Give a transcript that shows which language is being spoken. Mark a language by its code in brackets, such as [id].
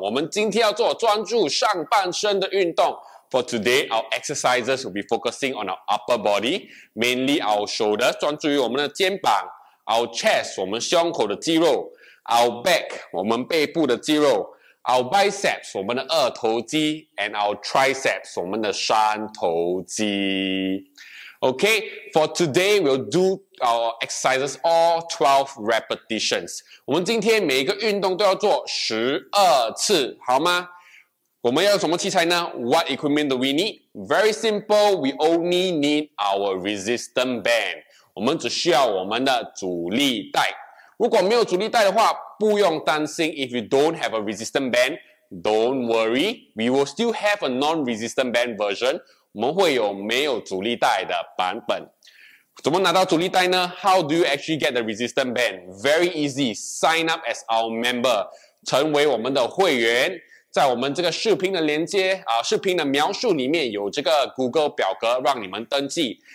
[zh] 我们今天要做专注上半身的运动。 [en] For today, our exercises will be focusing on our upper body, mainly our shoulders, [zh] 专注于我们的肩膀。 [en] Our chest, [zh] 我们胸口的肌肉。 [en] Our back, [zh] 我们背部的肌肉。 [en] Our biceps, [zh] 我们的二头肌。 [en] And our triceps, [zh] 我们的三头肌。 [en] Okay, for today, we'll do our exercises, all 12 repetitions. [zh] 我们今天每一个运动都要做12次，好吗？我们要什么器材呢？ [en] What equipment do we need? Very simple, we only need our resistance band. [zh] 我们只需要我们的阻力带。如果没有阻力带的话，不用担心。 [en] If you don't have a resistance band, don't worry. We will still have a non-resistance band version. [zh] 我们会有没有阻力带的版本。怎么拿到阻力带呢？ [en] How do you actually get the resistance band? Very easy. Sign up as our member. [zh] 成为我们的会员。在我们这个视频的连接视频的描述里面有这个 Google 表格让你们登记。